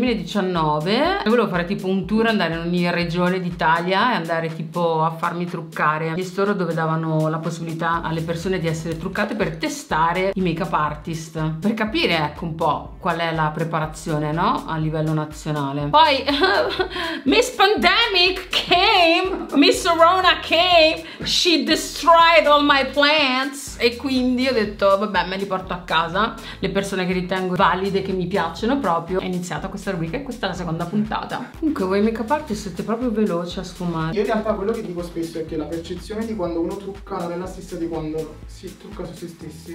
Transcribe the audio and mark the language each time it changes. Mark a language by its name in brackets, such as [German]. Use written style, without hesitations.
[Italian] Volevo fare tipo un tour, andare in ogni regione d'Italia e andare tipo a farmi truccare. Gli store dove davano la possibilità alle persone di essere truccate per testare i makeup artist, per capire ecco un po' qual è la preparazione, no? A livello nazionale. Poi [English] Miss Pandemic came, Miss Rona came, she destroyed all my plants. [Italian] E quindi ho detto vabbè, me li porto a casa, le persone che ritengo valide, che mi piacciono proprio. È iniziata questa rubrica e questa è la seconda puntata. Comunque, voi makeup artist siete proprio veloci a sfumare. Io in realtà quello che dico spesso è che la percezione di quando uno trucca non è la stessa di quando si trucca su se stessi.